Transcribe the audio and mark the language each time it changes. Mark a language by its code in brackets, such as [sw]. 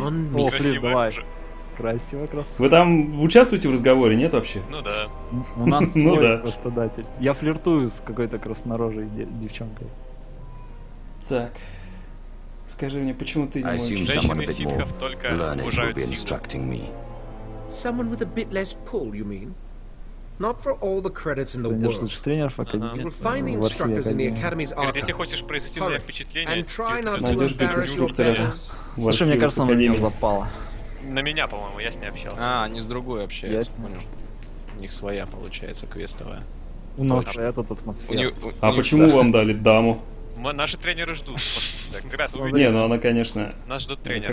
[ru] О, блин, давай. Красиво, красиво. Вы там участвуете в разговоре, нет вообще? Ну да. У нас свой постадатель. Я флиртую с какой-то краснорожей девчонкой. Так. Скажи мне, почему ты не можешь... Женщины ситхов только уважают силу. [en] Someone with a bit less pull, you mean? Not for all the credits in the [ru] конечно, [en] world. [ru] Тренер в академии. [en] You will find the instructors in the academy's archive. [ru] Если хочешь произвести новое впечатление, [en] and try not to embarrass yourself. [ru] Слушай, мне кажется, она на меня запала. На меня, по-моему, я с ней общался. А, они с другой общаются. Я понял. У них своя получается квестовая. У нас этот атмосфера. А почему вам дали даму? Наши тренеры ждут. Не, ну она, конечно. Нас ждут тренеры.